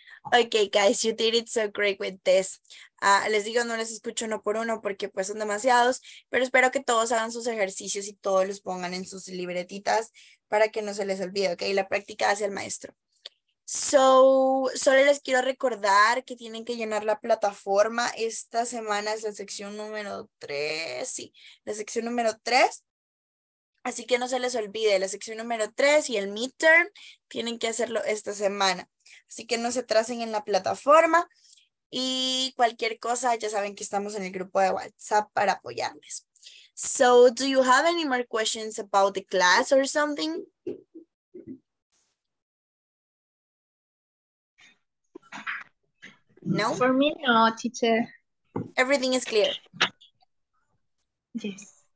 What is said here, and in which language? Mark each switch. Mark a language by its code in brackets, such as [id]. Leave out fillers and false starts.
[en] Okay, guys, you did it so great with this. [es] Les digo, no les escucho uno por uno porque pues son demasiados, pero espero que todos hagan sus ejercicios y todos los pongan en sus libretitas para que no se les olvide, okay? La práctica hace el maestro. So, solo les quiero recordar que tienen que llenar la plataforma. Esta semana es la sección número 3, sí, la sección número 3. Así que no se les olvide, la sección número 3 y el midterm tienen que hacerlo esta semana. Así que no se atrasen en la plataforma y cualquier cosa, ya saben que estamos en el grupo de WhatsApp para apoyarles. [en] So, do you have any more questions about the class or something? No? For me, no, teacher. Everything is clear. Yes.